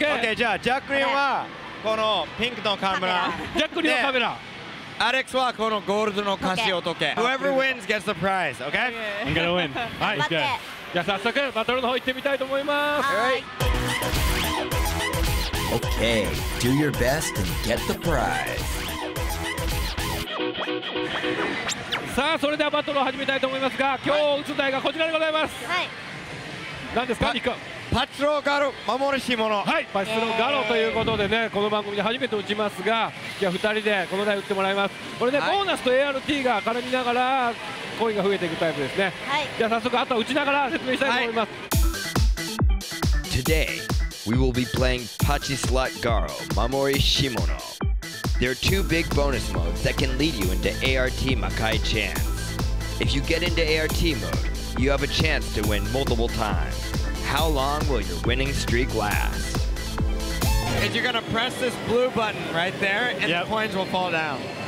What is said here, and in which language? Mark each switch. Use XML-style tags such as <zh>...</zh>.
<ja>OK, じゃあジャックリンはこのピンクのカメラ、ジャックリンのカメラ、アレックスはこのゴールドのカシオ時計。</ja> <en>Whoever wins gets the prize. OK, I'm gonna win. 、</en> <ja>はい、頑張って。じゃあ早速バトルの方行ってみたいと思います。はい。</ja> <en>Okay, do your best and get the prize.</en> <ja>さあ、それではバトルを始めたいと思いますが、今日打つ台がこちらでございます。はい。何ですか、ニック。パチスローガロ、守るし者。はい、パチスローガロということでね、この番組で初めて打ちますが、じゃあ2人でこの台打ってもらいます。これね、はい、ボーナスと ART が絡みながら、コインが増えていくタイプですね。はい。じゃあ早速、あとは打ちながら説明したいと思います。はい、</ja> <en>Today, We will be playing Pachi Slot Garo, Mamori Shimono. There are two big bonus modes that can lead you into ART Makai Chan. If you get into ART mode, you have a chance to win multiple times. How long will your winning streak last? And you're going to press this blue button right there, and yep. The coins will fall down.</en>